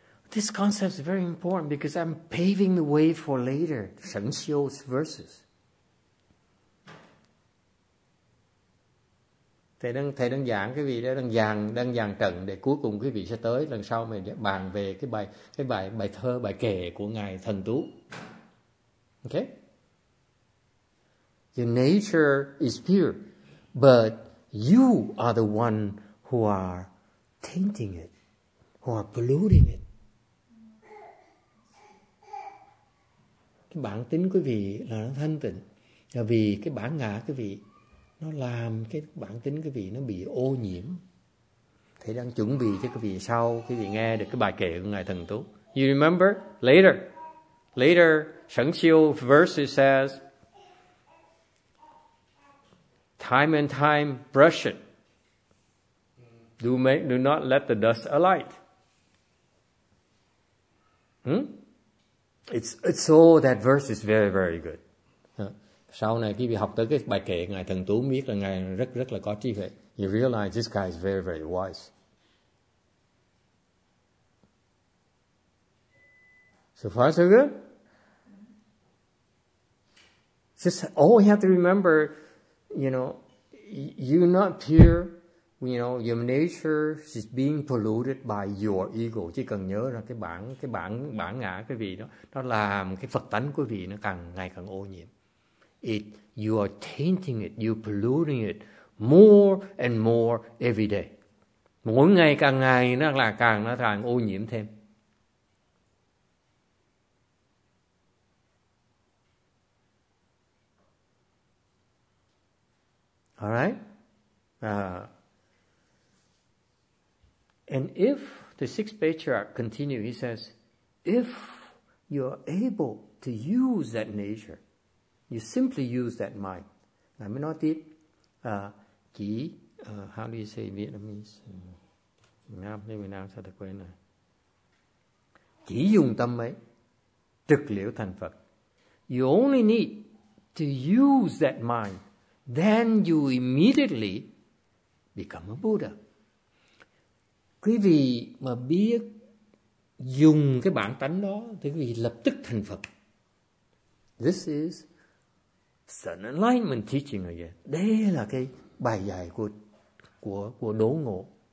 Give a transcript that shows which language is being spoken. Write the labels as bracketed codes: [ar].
[en] This concept is very important because I'm paving the way for later Shen Xiu's verses. [vi] Thầy đang giảng cái vị đó đang giàn trận để cuối cùng quý vị sẽ tới lần sau mình bàn về cái bài thơ bài kệ của ngài Thần Tú. [en] Okay? Your nature is pure, but you are the one who are tainting it, who are polluting it. [vi] Bản tính quý vị là nó thanh tịnh, là vì cái bản ngã quý vị nó làm cái bản tính quý vị nó bị ô nhiễm. Thầy đang chuẩn bị cho quý vị sau quý vị nghe được cái bài kệ của ngài Thần Tú. [en] You remember later Shen Xiu verse says, time and time brush it, do not let the dust alight. It's so that verse is very, very good. [vi] Sau này khi bị học tới cái bài kệ ngài Thần Tú biết là ngài rất rất là có trí huệ. [en] You realize this guy is very, very wise. So far so good. Just all you have to remember, you know, you're not pure, you know, your nature is being polluted by your ego. [vi] Chỉ cần nhớ ra cái bản ngã cái vị đó, nó làm cái phật tánh của vị nó càng ngày càng ô nhiễm. [en] You are tainting it, you're polluting it more and more every day. [vi] Mỗi ngày càng nó càng ô nhiễm thêm. [en] All right? And if the sixth patriarch continue, he says, if you are able to use that nature, you simply use that mind. [vi] Ngài mới nói tiếp, chỉ, [en] how do you say in Vietnamese? [vi] Việt Nam sao thật quên rồi. Chỉ dùng tâm ấy, trực liễu thành Phật. [en] You only need to use that mind, then you immediately become a Buddha. [vi] Quý vị mà biết dùng cái bản tánh đó, thì quý vị lập tức thành Phật. [en] This is Sun Enlightenment teaching again. [vi] Đây là cái bài dạy của Đố Ngộ.